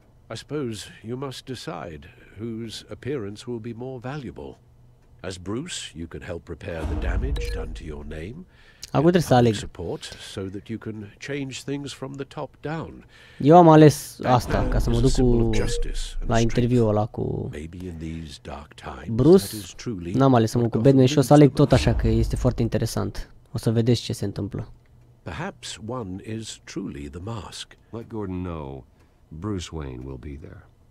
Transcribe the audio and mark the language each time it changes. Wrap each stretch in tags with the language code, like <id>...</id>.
<en>I suppose you must decide whose appearance will be more valuable. As Bruce, you can help repair the damage done to your name. I would say support so that you can change things from the top down.</en> <ro>Eu am ales asta ca să mă duc la interviul ăla cu Bruce. N-am ales să mă duc cu Batman și o să aleg tot așa că este foarte interesant. O să vedeți ce se întâmplă.</ro> <en>Perhaps one is truly the mask. Let Gordon know Bruce Wayne will be there.</en>